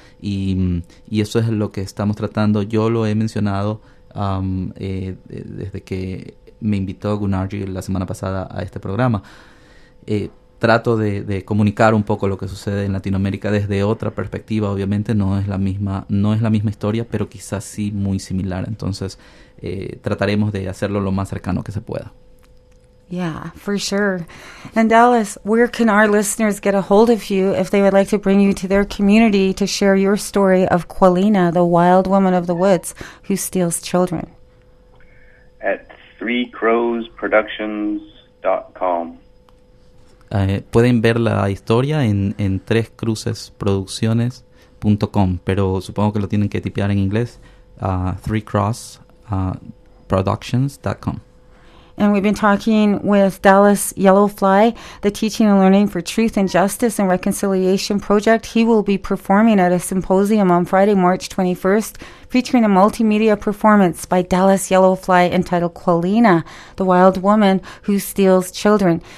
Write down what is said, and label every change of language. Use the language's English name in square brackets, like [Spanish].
[Spanish] Y eso es lo que estamos tratando. Yo lo he mencionado desde que me invitó Gunnarji la semana pasada a este programa. Trato de comunicar un poco lo que sucede en Latinoamérica desde otra perspectiva. Obviamente no es la misma historia, pero quizás sí muy similar. Entonces trataremos de hacerlo lo más cercano que se pueda. [English] Yeah, for sure. And Dallas, where can our listeners get a hold of you if they would like to bring you to their community to share your story of Qualina, the wild woman of the woods who steals children? At threecrowsproductions.com. [Spanish] Pueden ver la historia en trescrucesproducciones.com, pero supongo que lo tienen que tipear en inglés, [English] threecrossproductions.com. And we've been talking with Dallas Yellowfly, the Teaching and Learning for Truth and Justice and Reconciliation Project. He will be performing at a symposium on Friday, March 21st, featuring a multimedia performance by Dallas Yellowfly entitled Qualina, the Wild Woman Who Steals Children.